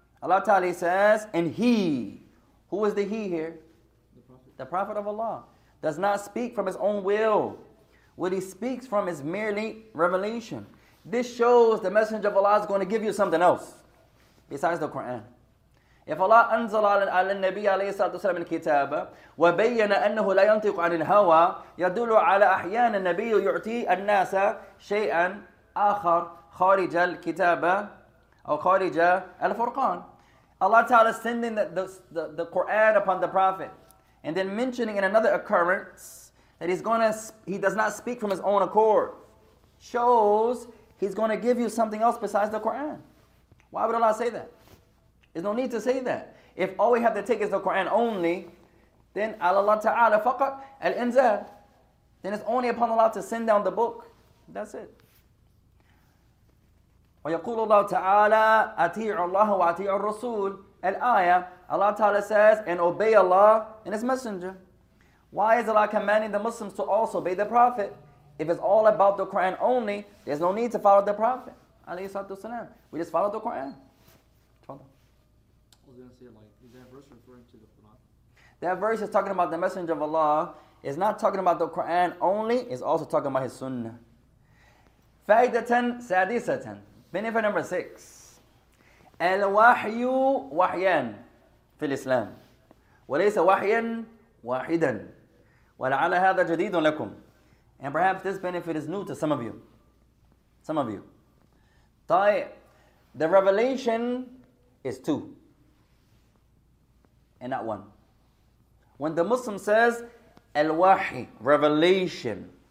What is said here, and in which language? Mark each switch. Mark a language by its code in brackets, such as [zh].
[en] Allah Ta'ala says, and he, who is the he here? The Prophet of Allah, does not speak from his own will. What he speaks from is merely revelation. This shows the Messenger of Allah is going to give you something else besides the Quran. If [ar] Allah أنزل على النبي عليه الصلاة والسلام الكتاب وبيّن أنه لا ينطق عن الهوى يدل على أحيان النبي يعطي الناس شيئا آخر خارج الكتاب أو خارج الفرقان. [en] Allah Ta'ala sending the Quran upon the Prophet and then mentioning in another occurrence that he does not speak from his own accord shows he's going to give you something else besides the Quran. Why would Allah say that? There's no need to say that. If all we have to take is the Quran only, then Allah Ta'ala [ar] faqat al-inzal. [en] Then it's only upon Allah to send down the book. That's it. [ar] ويقول الله تعالى أطيع الله وأطيع الرسول. الآية, [en] Allah Ta'ala says, and obey Allah and His Messenger. Why is Allah commanding the Muslims to also obey the Prophet? If it's all about the Quran only, there's no need to follow the Prophet. [ar] عليه الصلاة والسلام. [en] We just follow the Quran. I was going to say, is that verse referring to the Quran? That verse is talking about the Messenger of Allah. It's not talking about the Quran only. It's also talking about His Sunnah. [ar] فَائِدَةً سَادِسَةً. [en] Benefit number 6. [ar] Al-wahyu wahyan fil Islam. وليس wahyan واحدا. ولعل هذا جديد لكم. [en] And perhaps this benefit is new to some of you. Some of you. [ar] طيب. [en] The revelation is two. And not one. When the Muslim says al-wahy, revelation.